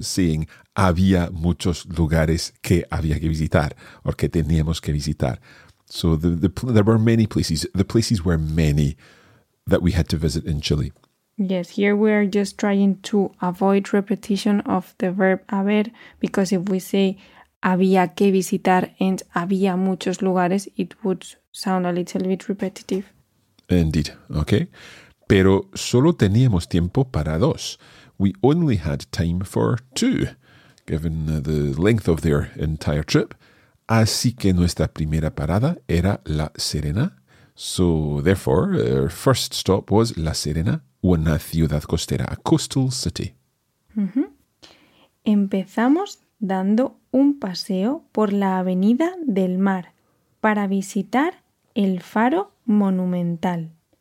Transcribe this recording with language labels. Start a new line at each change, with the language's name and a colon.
Spanish: seeing, había muchos lugares que había que visitar, or que teníamos que visitar.
English: So there were many places. The places were many that we had to visit in Chile. Yes, here we are just trying to avoid repetition of the verb haber, because if we say
Spanish: había que visitar
English: and
Spanish: había muchos lugares,
English: it would sound a little bit repetitive. Indeed, okay.
Spanish: Pero solo teníamos tiempo para dos.
English: We only had time for two, given the length of their entire trip.
Spanish: Así que nuestra primera parada era La Serena.
English: So, therefore, our first stop was La Serena,
Spanish: una ciudad costera,
English: a coastal city. Mm-hmm.
Spanish: Empezamos dando un paseo por la Avenida del Mar para visitar el faro monumental.